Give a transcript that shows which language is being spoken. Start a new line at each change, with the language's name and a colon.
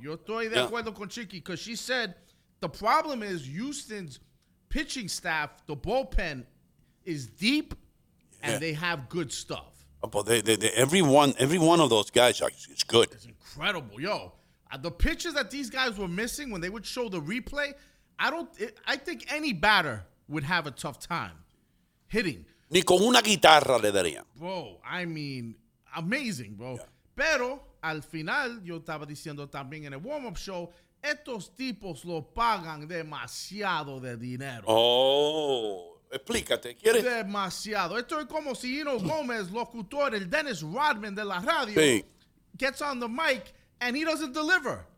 Spanish: Yo estoy de acuerdo con Chiqui
English: because she said the problem is Houston's pitching staff, the bullpen, is deep and they have good stuff. But every one of those guys is good. It's incredible. Yo, the pitches that these guys were missing when they would show the replay, I think any batter would have a tough time hitting.
Spanish: Ni con una guitarra le darían.
English: Bro, I mean, amazing, bro. Yeah.
Spanish: Pero, al final, yo estaba diciendo también en el warm-up show, estos tipos lo pagan demasiado de dinero. Oh, explícate. ¿Quieres? Demasiado. Esto es como si Hino Gómez, locutor, el Dennis Rodman de la radio, sí,
English: gets on the mic and he doesn't deliver.